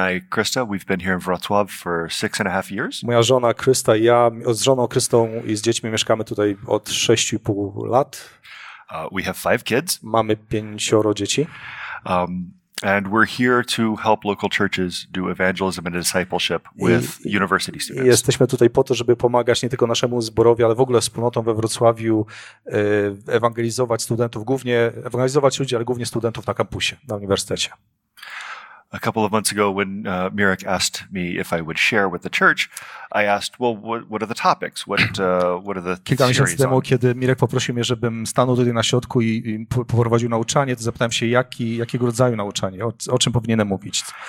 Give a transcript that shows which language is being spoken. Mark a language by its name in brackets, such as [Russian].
[English] Krista, we've been here in Wrocław for 6.5 years. [Polish] Moja żona Krysta i ja, z żoną Krystą i z dziećmi mieszkamy tutaj od 6,5 lat. [English] We have five kids. [Polish] Mamy pięcioro dzieci. [English] And we're here to help local churches do evangelism and discipleship with university students. [Polish] Jesteśmy tutaj po to, żeby pomagać nie tylko naszemu zborowi, ale w ogóle wspólnotom we Wrocławiu ewangelizować studentów, głównie ewangelizować ludzi, ale głównie studentów na kampusie, na uniwersytecie. [English] A couple of months ago, when Mirek asked me if I would share with the church, I asked, well, what are the topics? What are the [Polish] Kilka miesięcy [English] series [Polish] temu, [English] on? [Polish] kiedy Mirek poprosił mnie, żebym stanął tutaj na środku i poprowadził nauczanie, to zapytałem się, jakiego rodzaju nauczanie, o czym powinienem mówić.